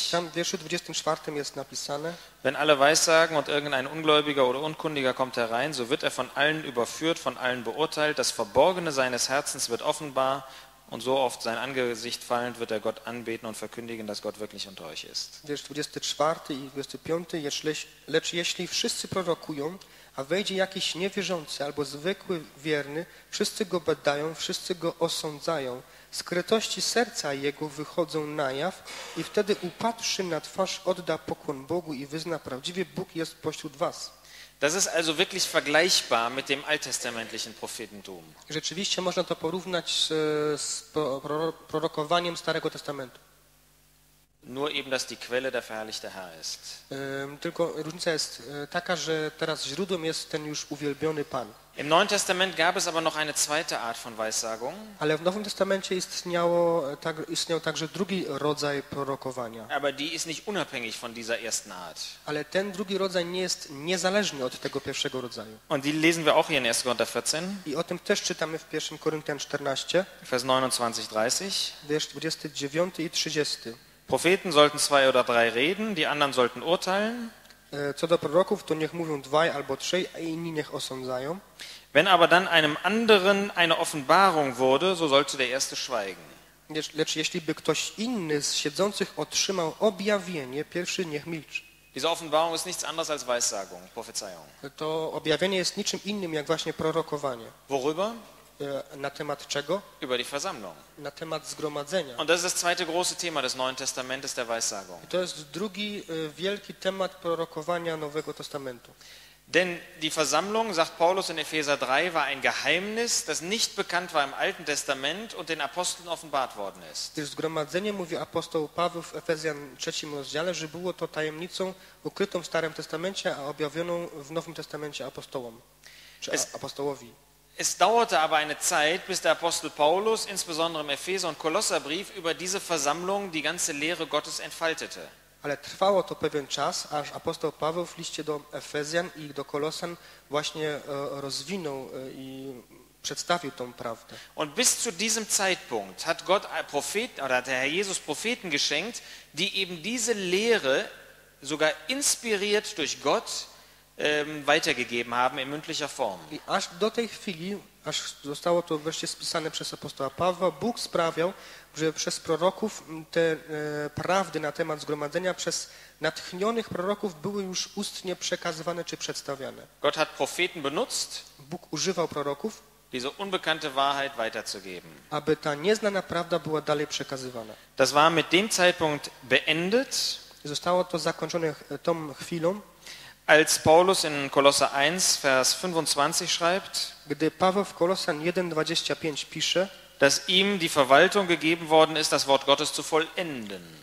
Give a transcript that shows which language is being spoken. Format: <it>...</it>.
<pl>Tam w wierszu 24 jest napisane.</pl> <de>Wenn alle Weissagen und irgendein Ungläubiger oder Unkundiger kommt herein, so wird er von allen überführt, von allen beurteilt. Das Verborgene seines Herzens wird offenbar. Und so oft sein Angesicht fallend wird er Gott anbeten und verkündigen, dass Gott wirklich unter euch ist.</de> <pl>Wiersz 24 i 25, lecz jeśli wszyscy prorokują, a wejdzie jakiś niewierzący albo zwykły wierny, wszyscy go badają, wszyscy go osądzają. Skrytości serca jego wychodzą na jaw i wtedy upadłszy na twarz odda pokłon Bogu i wyzna prawdziwie Bóg jest pośród was.</pl> <de>Das ist also wirklich vergleichbar mit dem alttestamentlichen Prophetentum.</de> <pl>Rzeczywiście można to porównać z prorokowaniem Starego Testamentu.</pl> <de>Nur eben, dass die Quelle der verherrlichte Herr ist.</de> <pl>Tylko różnica jest taka, że teraz źródłem jest ten już uwielbiony Pan.</pl> <de>Im Neuen Testament gab es aber noch eine zweite Art von Weissagung.</de> <pl>Ale w Nowym Testamencie istniał także drugi rodzaj prorokowania.</pl> <de>Aber die ist nicht unabhängig von dieser ersten Art.</de> <pl>Ale ten drugi rodzaj nie jest niezależny od tego pierwszego rodzaju.</pl> <de>Und die lesen wir auch hier in 1. Korinther 14.</de> <pl>I o tym też czytamy w 1. Korinthian 14.</pl> <de>Vers 29-30.</de> <pl>Wiersz 29 i 30.</pl> <de>Propheten sollten zwei oder drei reden, die anderen sollten urteilen.</de> <pl>Co do proroków, to niech mówią dwaj albo trzej, a inni niech osądzają.</pl> <de>Wenn aber dann einem anderen eine Offenbarung wurde, so sollte der erste schweigen.</de> <pl>Lecz jeśli by ktoś inny z siedzących otrzymał objawienie, pierwszy niech milczy.</pl> <de>Diese Offenbarung ist nichts anderes als Weissagung, Prophezeiung.</de> <pl>To objawienie jest niczym innym jak właśnie prorokowanie.</pl> <de>Worüber?</de> <pl>Na temat czego?</pl> <de>Über die Versammlung.</de> <pl>Na temat zgromadzenia.</pl> <de>Und das ist das zweite große Thema des Neuen Testamentes, der Weissagung.</de> <pl>To jest drugi wielki temat prorokowania Nowego Testamentu.</pl> <de>Denn die Versammlung, sagt Paulus in Epheser 3, war ein Geheimnis, das nicht bekannt war im Alten Testament und den Aposteln offenbart worden ist.</de> <pl>Gdyż zgromadzenie, mówi apostoł Paweł w Efezjan 3 rozdziale, że było to tajemnicą ukrytą w Starym Testamencie, a objawioną w Nowym Testamencie apostołom, czy apostołowi.</pl> <de>Es dauerte aber eine Zeit, bis der Apostel Paulus, insbesondere im Epheser- und Kolosserbrief, über diese Versammlung die ganze Lehre Gottes entfaltete.</de> <pl>Ale trwało to pewien czas, aż apostoł Paweł w liście do Efezjan i do Kolosan właśnie rozwinął i przedstawił tą prawdę.</pl> <de>Und bis zu diesem Zeitpunkt hat Gott Propheten oder hat der Herr Jesus Propheten geschenkt, die eben diese Lehre sogar inspiriert durch Gott weitergegeben haben in mündlicher Form.</de> <pl>I aż do tej chwili, aż zostało to wreszcie spisane przez apostoła Pawła, Bóg sprawiał, że przez proroków te prawdy na temat zgromadzenia przez natchnionych proroków były już ustnie przekazywane czy przedstawiane.</pl> <de>Gott hat Propheten benutzt,</de> <pl>Bóg używał proroków,</pl> <de>diese unbekannte Wahrheit weiterzugeben.</de> <pl>Aby ta nieznana prawda była dalej przekazywana.</pl> <de>Das war mit dem Zeitpunkt beendet.</de> <pl>Zostało to zakończone tą chwilą.</pl> <de>Als Paulus in Kolosser 1, Vers 25 schreibt,</de> <pl>gdy Paweł w Kolosan 1:25 pisze,</pl> <de>dass ihm die Verwaltung gegeben worden ist, das Wort Gottes zu vollenden.</de>